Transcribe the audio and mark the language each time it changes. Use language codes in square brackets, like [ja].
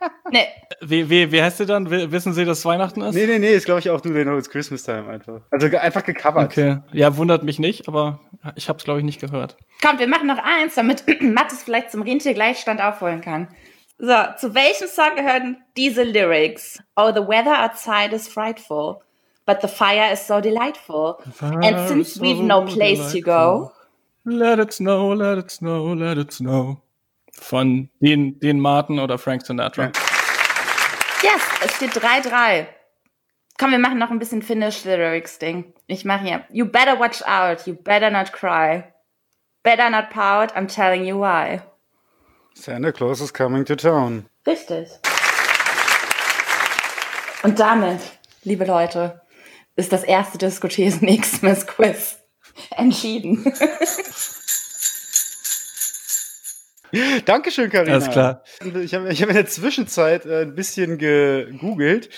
[de] Nee. Wie heißt der dann? Wissen Sie, dass Weihnachten ist? Nee, ist glaube ich auch Do They Know It's Christmas Time einfach. Also einfach gecovert. Okay, ja, wundert mich nicht, aber ich habe es glaube ich nicht gehört. Komm, wir machen noch eins, damit Mattes vielleicht zum Rentiergleichstand aufholen kann. So, zu welchem Song gehören diese Lyrics? [en] Oh, the weather outside is frightful, but the fire is so delightful. And since we've no place to go. Let it snow, let it snow, let it snow. [de] Von Dean Martin oder Frank Sinatra. Yes, es steht 3-3. Komm, wir machen noch ein bisschen Finish the Lyrics Ding. Ich mache hier. [en] You better watch out, you better not cry. Better not pout, I'm telling you why. Santa Claus is coming to town. [de] Richtig. Und damit, liebe Leute, ist das erste Disco-Thesen X-Mas Quiz entschieden. Dankeschön, Carina. Alles klar. Ich hab in der Zwischenzeit ein bisschen gegoogelt.